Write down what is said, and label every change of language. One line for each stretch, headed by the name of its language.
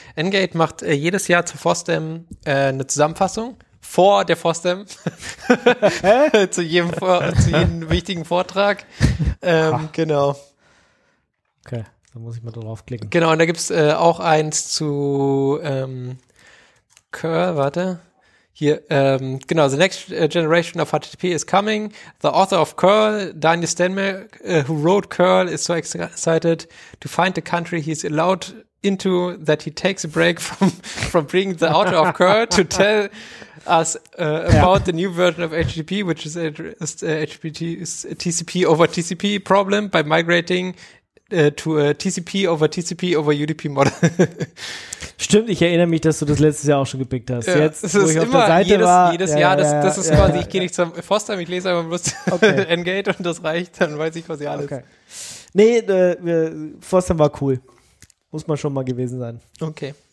German: Engate macht jedes Jahr zur FOSDEM eine Zusammenfassung. Vor der FOSDEM. zu jedem wichtigen Vortrag. genau. Okay. Da muss ich mal draufklicken. Genau, und da gibt es auch eins zu Curl, warte. Hier, genau,
English: the next generation of HTTP is coming. The author of Curl, Daniel Stenmark, who wrote Curl, is so excited to find the country he's allowed into that he takes a break from being the author of Curl to tell us about the new version of HTTP, which is TCP over TCP problem by migrating to a TCP over TCP over UDP Model.
German: Stimmt, ich erinnere mich, dass du das letztes Jahr auch schon gepickt hast. Ja, jetzt, wo ich immer auf der Seite war. Jedes Jahr, das ist quasi, ich gehe nicht zum Fostheim, ich lese einfach bloß okay. Engate und das reicht, dann weiß ich quasi alles. Okay. Nee, Fostheim war cool. Muss man schon mal gewesen sein. Okay.